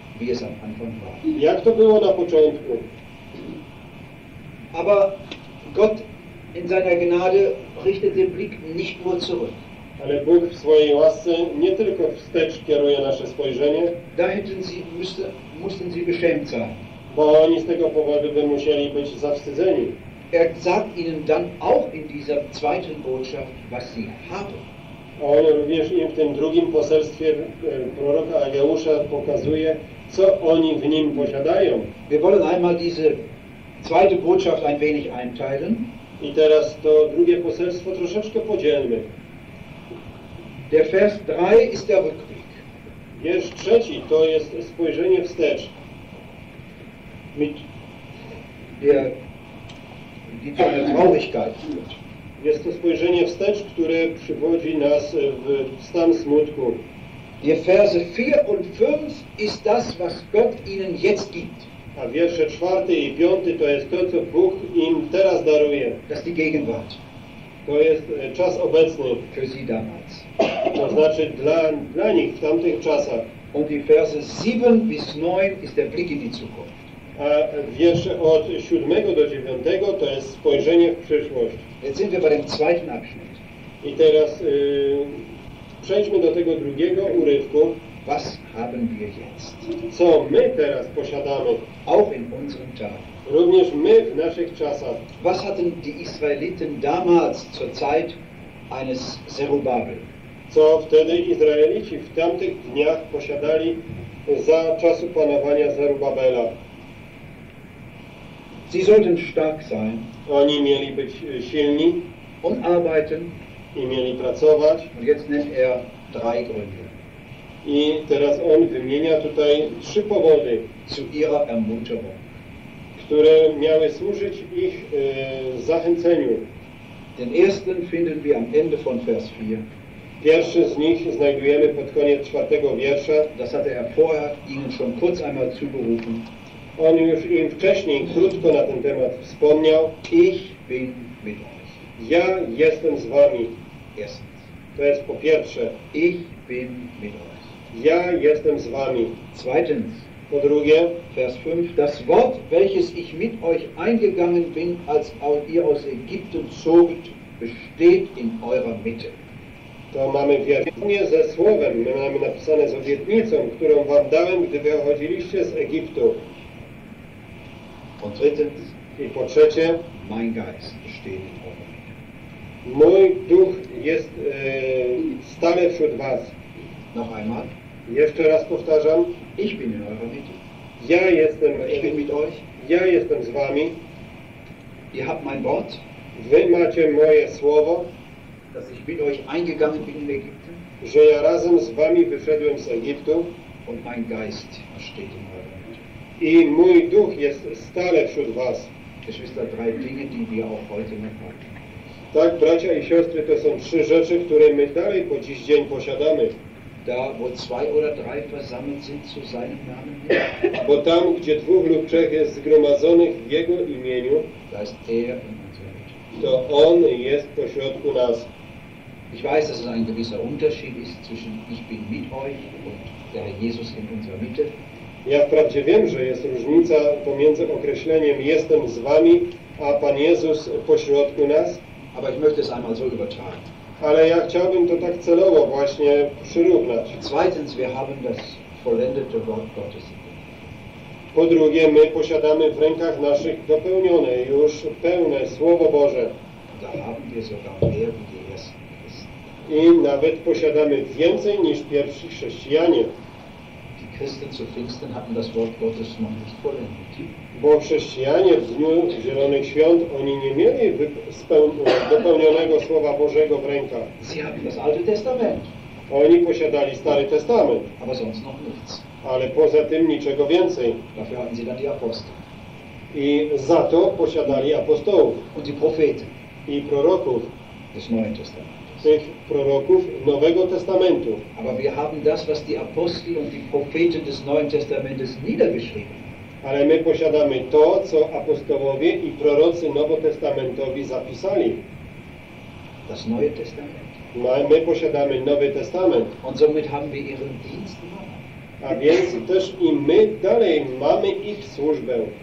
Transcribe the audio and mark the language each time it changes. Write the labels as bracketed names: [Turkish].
[German] wie es am Anfang war. [Polish] Jak to było na początku. [German] Aber Gott in seiner Gnade richtet den Blick nicht nur zurück. [Polish] Ale Bóg w swojej łasce nie tylko wstecz kieruje nasze spojrzenie. [German] Da hätten sie mussten sie beschämt sein. [Polish] Bo oni z tego powodu by musieli być zawstydzeni. [German] Er sagt ihnen dann auch in dieser zweiten Botschaft, was sie haben. [Polish] On również im w tym drugim poselstwie proroka Ageusza pokazuje, co oni w nim posiadają. [German] Wir wollen einmal diese zweite Botschaft ein wenig einteilen. [Polish] I teraz to drugie poselstwo troszeczkę podzielmy. [German] Der Vers 3 ist der Rückblick. [Polish] Wiersz trzeci to jest spojrzenie wstecz. [German] Mit der, die zu einer Traurigkeit führt. [Polish] Jest to spojrzenie wstecz, które przywodzi nas w stan smutku. [German] Die Verse 4 und 5 ist das, was Gott ihnen jetzt gibt. [Polish] A wiersze 4 i 5 to jest to, co Bóg im teraz daruje. [German] Das ist die Gegenwart. [Polish] To jest czas obecny. [German] Für sie damals. [Polish] To znaczy dla nich w tamtych czasach. [German] Und die Verse 7 bis 9 ist der Blick in die Zukunft. [Polish] A wiersze od 7 do 9 to jest spojrzenie w przyszłość. [German] Jetzt sind wir bei dem zweiten Abschnitt. [Polish] I teraz przejdźmy do tego drugiego urywku. [German] Was haben wir jetzt? [Polish] Co my teraz posiadamy? [German] Auch in unseren Tagen. [Polish] Również my w naszych czasach. [German] Was hatten die Israeliten damals zur Zeit eines Zerubabel? [Polish] Co wtedy Izraelici w tamtych dniach posiadali za czasu panowania Zerubabela? [German] Sie sollten stark sein. [Polish] Oni mieli być silni. [German] Und arbeiten. [Polish] I mieli pracować. [German] Und jetzt nennt er drei Gründe. [Polish] I teraz on wymienia tutaj trzy powody. [German] Zu ihrer Ermutigung. [Polish] Które miały służyć ich zachęceniu. [German] Den ersten finden wir am Ende von Vers 4. [Polish] Pierwszy z nich znajdujemy pod koniec czwartego wiersza. [German] Das hatte er vorher ihnen schon kurz einmal zugerufen. [Polish] On już im wcześniej krótko na ten temat wspomniał. [German] Ich bin mit euch. [Polish] Ja jestem z wami. [German] Erstens. [Polish] To jest po pierwsze. [German] Ich bin mit euch. [Polish] Ja jestem z wami. [German] Zweitens. [Polish] Po drugie, [German] Vers 5. Das Wort, welches ich mit euch eingegangen bin, als ihr aus Ägypten zogt, besteht in eurer Mitte. [Polish] To mamy wiernie ze słowem, my mamy napisane z obietnicą, którą wam dałem, gdy wychodziliście z Egiptu. [German] Und drittens. [Polish] I po trzecie, [German] mein Geist besteht in eurer Mitte. [Polish] Mój duch jest stale wśród was. [German] Noch einmal. [Polish] Jeszcze raz powtarzam. [German] Ich bin in eurer Mitte. [Polish] Ja jestem. [German] Ich bin mit euch. [Polish] Ja jestem z wami. [German] Ihr habt mein Wort. [Polish] Wy macie moje słowo. [German] Dass ich mit euch eingegangen bin in Egipten. [Polish] Że ja razem z wami wyszedłem z Egiptu. [German] Und mein Geist steht in eurer Mitte. [Polish] I mój duch jest stale wśród was. [German] Geschwister, drei Dinge, die wir auch heute noch haben. [Polish] Tak, bracia i siostry, to są trzy rzeczy, które my dalej po dziś dzień posiadamy. [German] Da, wo zwei oder drei versammelt sind zu seinem Namen. [Polish] Bo tam, gdzie dwóch lub trzech jest zgromadzonych w jego imieniu, [German] da ist er in unserer Mitte. [Polish] To on jest pośrodku nas. [German] Ich weiß, dass es ein gewisser Unterschied ist zwischen ich bin mit euch und der Jesus in unserer Mitte. [Polish] Ja wprawdzie wiem, że jest różnica pomiędzy określeniem jestem z wami, a Pan Jezus pośrodku nas. [German] Aber ich möchte es einmal so übertragen. [Polish] Ale ja chciałbym to tak celowo właśnie przyrównać. [German] Zweitens, wir haben das vollendete Wort Gottes. [Polish] Po drugie, my posiadamy w rękach naszych dopełnione, już pełne Słowo Boże. [German] Da haben wir sogar mehr, wie die ersten Christen. [Polish] I nawet posiadamy więcej niż pierwsi chrześcijanie. [German] Die Christen zu Pfingsten hatten das Wort Gottes noch nicht vollendet. [Polish] Bo chrześcijanie w Dniu Zielonych Świąt, oni nie mieli dopełnionego Słowa Bożego w rękach. [German] Sie haben das Alte Testament. [Polish] Oni posiadali Stary Testament. [German] Aber sonst noch nichts. [Polish] Ale poza tym niczego więcej. [German] Dafür hatten sie dann die Apostel. [Polish] I za to posiadali apostołów. [German] Und die Propheten. [Polish] I proroków. [German] Des Neuen Testamentes. [Polish] Tych proroków Nowego Testamentu. [German] Aber wir haben das, was die Apostel und die Propheten des Neuen Testamentes niedergeschrieben. [Polish] Ale my posiadamy to, co apostołowie i prorocy nowotestamentowi zapisali. [German] Das Neue Testament. [Polish] No, my posiadamy Nowy Testament. [German] Und somit haben wir ihren Dienst. [Polish] A więc też i my dalej mamy ich służbę.